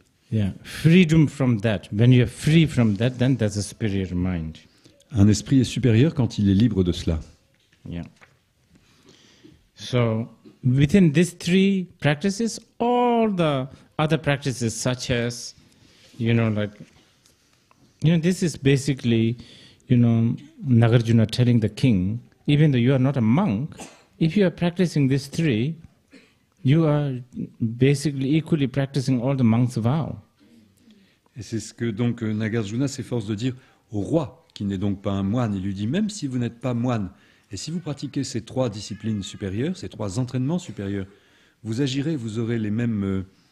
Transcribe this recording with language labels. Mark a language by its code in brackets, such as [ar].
[en] Yeah, freedom from that. When you are free from that, then there's a superior mind. [fr] Un esprit est supérieur quand il est libre de cela. [en] Yeah. So, within these three practices, all the other practices, such as, you know, like, you know, this is basically, you know, Nagarjuna telling the king, even though you are not a monk, if you are practicing these three, you are basically equally practicing all the monk's vow. [fr] Et c'est ce que donc Nagarjuna s'efforce de dire au roi, qui n'est donc pas un moine. Il lui dit, même si vous n'êtes pas moine, et si vous pratiquez ces trois disciplines supérieures, ces trois entraînements supérieurs, vous agirez, vous aurez les mêmes...